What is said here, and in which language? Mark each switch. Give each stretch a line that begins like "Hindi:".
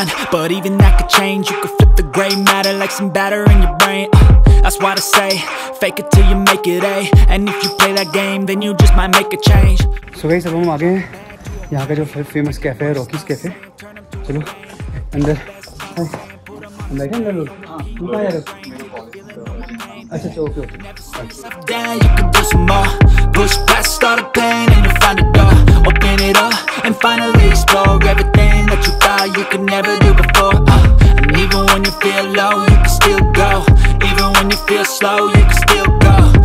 English: But even that could change. You could flip the gray matter like some batter in your brain. That's why I say, fake it till you make it, eh? And if you play that game, then you just might make a change. So guys,
Hindi: अब हम आ गए हैं यहाँ का जो famous cafe है, Rocky's cafe. चलो अंदर, अंदर क्या अंदर लोग? हाँ, तू कहाँ जा रहे हो? अच्छा चलो,
English: okay okay. You can do some more. Push past all the pain and you'll find a door. Open it up and finally explore everything that you thought you could never do before. And even when you feel low, you can still go. Even when you feel slow, you can still go.